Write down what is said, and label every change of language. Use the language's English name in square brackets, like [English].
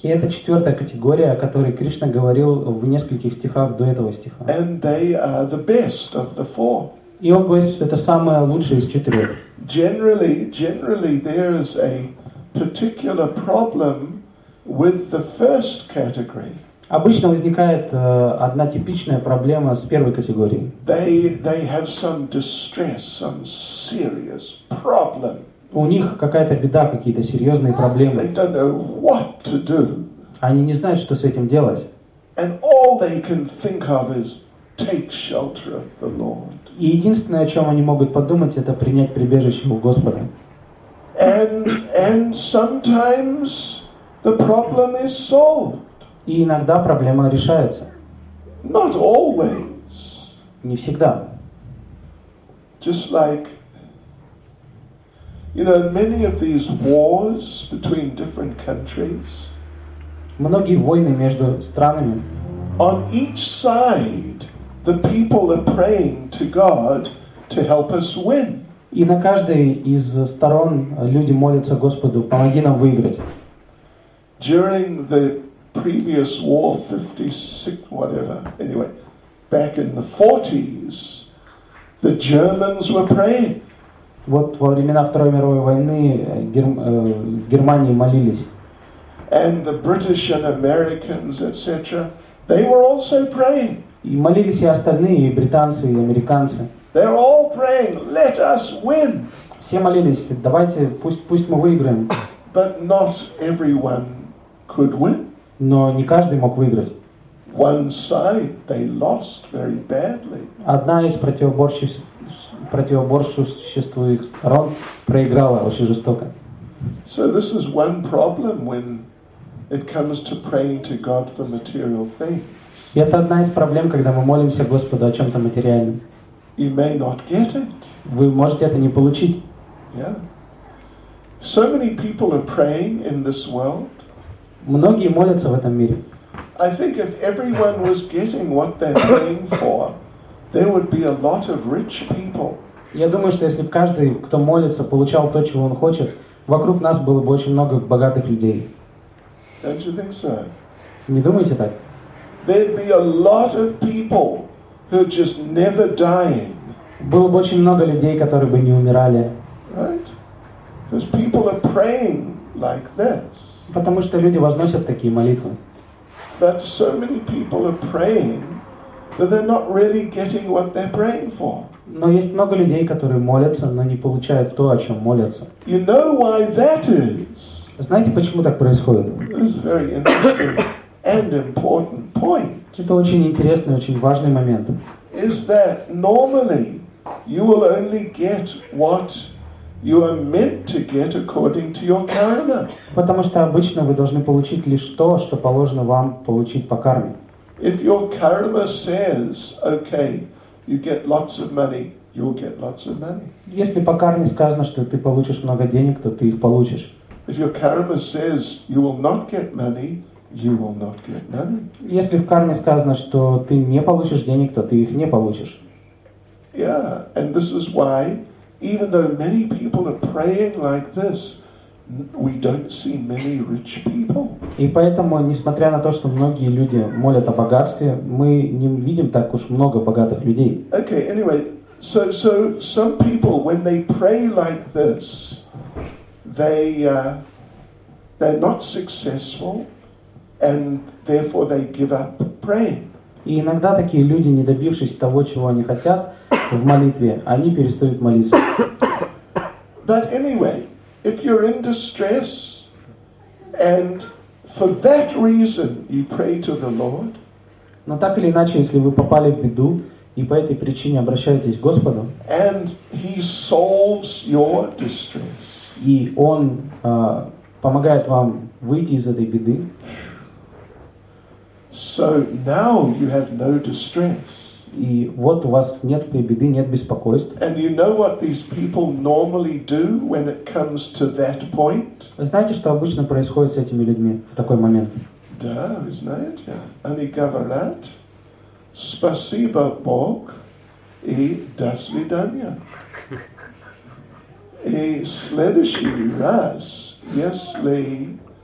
[Russian] И это четвертая категория, о которой Кришна говорил в нескольких стихах до этого стиха. [English] And they are the best of the four. [Russian] И он говорит, что это самое лучшее из четырех. [English] Generally there is a particular problem with the first category. [Russian] Обычно возникает одна типичная проблема с первой категорией. [English] They have some distress, some serious problem. [Russian] У них какая-то беда, какие-то серьезные проблемы. [English] They don't know what to do. [Russian] Они не знают, что с этим делать. [English] And all they can think of is take shelter of the Lord. [Russian] И единственное, о чем они могут подумать, это принять прибежище у Господа. [English] And sometimes the problem is solved. [Russian] И иногда проблема решается. [English] Not always. [Russian] Не всегда. [English] Just like, you know, many of these wars between different countries. [Russian] Многие войны между странами. [English] On each side, the people are praying to God to help us win. [Russian] И на каждой из сторон люди молятся Господу: помоги нам выиграть. [English] During the previous war, 56, whatever, anyway, back in the 40s, the Germans were praying. [Russian] Вот во времена Второй мировой войны Германии молились. [English] And the British and Americans, etc., they were also praying. [Russian] И молились и остальные, и британцы, и американцы. [English] They're all praying, let us win. [Russian] Все молились, давайте, пусть мы выиграем. [English] But not everyone could win. [Russian] Но не каждый мог выиграть. [English] One side they lost very badly. [Russian] Одна из противоборствующих сторон проиграла очень жестоко. [English] So this is one problem when it comes to praying to God for material things. [Russian] И это одна из проблем, когда мы молимся Господу о чем-то материальном. [English] You may not get it. [Russian] Вы можете это не получить. [English] Yeah. So many people are praying in this world. [Russian] Многие молятся в этом мире. [English] I think if everyone was getting what they're praying for, there would be a lot of rich people. [Russian] Я думаю, что если бы каждый, кто молится, получал то, чего он хочет, вокруг нас было бы очень много богатых людей. [English] Don't you think so? [Russian] Не думаете так? [English] There'd be a lot of people who just never dying. [Russian] Было бы очень много людей, которые бы не умирали. [English] Right? Because people are praying like this. [Russian] Потому что люди возносят такие молитвы. [English] But so many people are praying, but they're not really getting what they're praying for. [Russian] Но есть много людей, которые молятся, но не получают то, о чем молятся. [English] You know why that is? [Russian] Знаете, почему так происходит? [English] This is a very interesting and important point. [Russian] Это очень интересный, очень важный момент. [English] Is that normally you will only get what you are meant to get according to your karma. [Russian] Потому что обычно вы должны получить лишь то, что положено вам получить по карме. [English] If your karma says, okay, you get lots of money, you'll get lots of money. [Russian] Если по карме сказано, что ты получишь много денег, то ты их получишь. [English] If your karma says you will not get money, you will not get money. [Russian] Если в карме сказано, что ты не получишь денег, то ты их не получишь. [English] Yeah, and this is why. Even though many people are praying like this, we don't see many rich people. [Russian] И поэтому, несмотря на то, что многие люди молят о богатстве, мы не видим так уж много богатых людей. [English] Okay, anyway, so some people when they pray like this, they're not successful, and therefore they give up praying. [Russian] И иногда такие люди, не добившись того, чего они хотят в молитве, они перестают молиться. [English] But anyway, if you're in distress and for that reason you pray to the Lord, [Russian] Но так или иначе, если вы попали в беду и по этой причине обращаетесь к Господу, [English] and he solves your distress. [Russian] И Он помогает вам выйти из этой беды, [English] so now you have no distress. [Russian] И вот у вас нет этой беды, нет беспокойств. [English] And you know what these people normally do when it comes to that point? [Russian] Вы знаете, что обычно происходит с этими людьми в такой момент? Да, вы знаете. Они говорят: «Спасибо, Бог, и до свидания». И следующий раз, если...